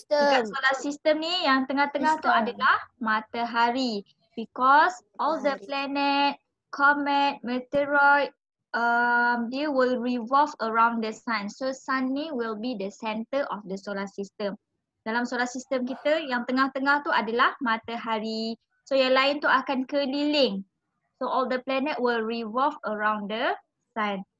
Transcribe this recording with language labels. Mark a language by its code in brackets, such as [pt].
[ms] Dekat solar system ni yang tengah-tengah tu adalah matahari. [en] Because all the planet, comet, meteoroid, they will revolve around the sun. So sun ni will be the center of the solar system. [ms] Dalam solar system kita yang tengah-tengah tu adalah matahari. So yang lain tu akan keliling. [en] So all the planet will revolve around the sun.